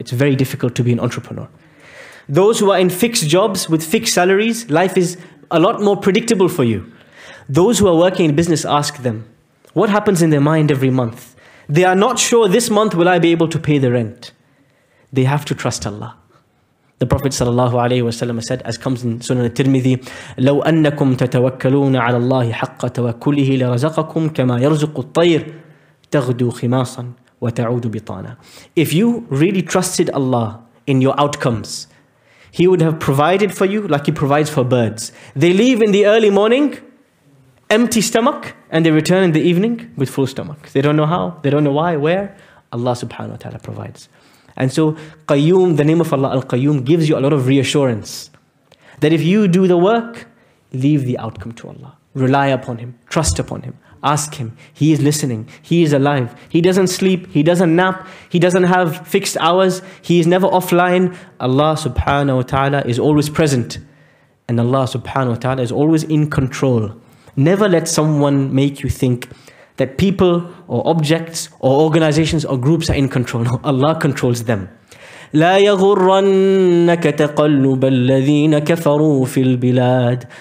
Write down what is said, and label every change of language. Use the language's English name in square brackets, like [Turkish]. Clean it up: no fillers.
[English] It's very difficult to be an entrepreneur. Those who are in fixed jobs with fixed salaries, life is a lot more predictable for you. Those who are working in business, ask them, what happens in their mind every month? They are not sure, this month will I be able to pay the rent? They have to trust Allah. The Prophet sallallahu alaihi wasallam said, as comes in Sunan al-Tirmidhi, [Arabic] لو أنكم تتوكلون على الله حق توكله لرزقكم كما يرزق الطير تغدو خماصا وتعود بطانا. [English] If you really trusted Allah in your outcomes, He would have provided for you like He provides for birds. They leave in the early morning, empty stomach, and they return in the evening with full stomach. They don't know how, they don't know why, where. Allah subhanahu wa ta'ala provides. And so Qayyum, the name of Allah Al-Qayyum, gives you a lot of reassurance that if you do the work, leave the outcome to Allah. Rely upon Him, trust upon Him, ask Him. He is listening, He is alive. He doesn't sleep, He doesn't nap, He doesn't have fixed hours, He is never offline. Allah subhanahu wa ta'ala is always present, and Allah subhanahu wa ta'ala is always in control. Never let someone make you think that people or objects or organizations or groups are in control. No, Allah controls them. [Arabic] لا يغرنك تقلب الذين كفروا في البلاد.